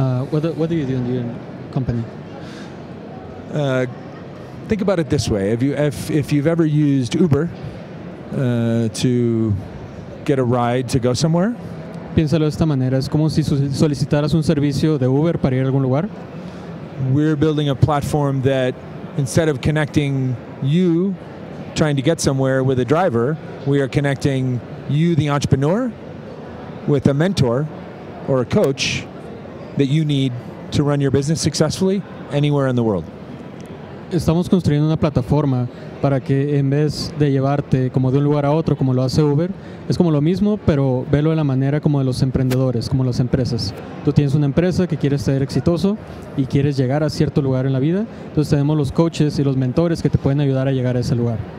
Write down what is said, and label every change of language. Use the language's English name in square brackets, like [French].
[English] What do you do in your company? Think about it this way. If you've ever used Uber to get a ride to go somewhere. [Spanish] Piénsalo de esta manera. Es como si solicitaras un servicio de Uber para ir a algún lugar. [English] We're building a platform that instead of connecting you trying to get somewhere with a driver, we are connecting you, the entrepreneur, with a mentor or a coach that you need to run your business successfully anywhere in the world. [Spanish] Estamos construyendo una plataforma para que en vez de llevarte como de un lugar a otro, como lo hace Uber, es como lo mismo, pero velo de la manera como de los emprendedores, como las empresas. Tú tienes una empresa que quieres ser exitoso y quieres llegar a cierto lugar en la vida, entonces tenemos los coaches y los mentores que te pueden ayudar a llegar a ese lugar.